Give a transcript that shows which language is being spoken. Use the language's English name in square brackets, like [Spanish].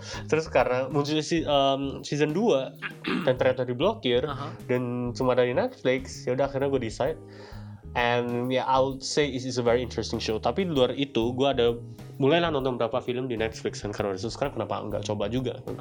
[Indonesian] terus karena muncul season 2 dan ternyata diblokir, dan cuma dari Netflix, ya udah akhirnya gue decide. [English] And yeah, I would say it is a very interesting show. [Indonesian] Tapi di luar itu, gue ada mulailah nonton beberapa film di Netflix dan karena itu sekarang kenapa enggak coba juga?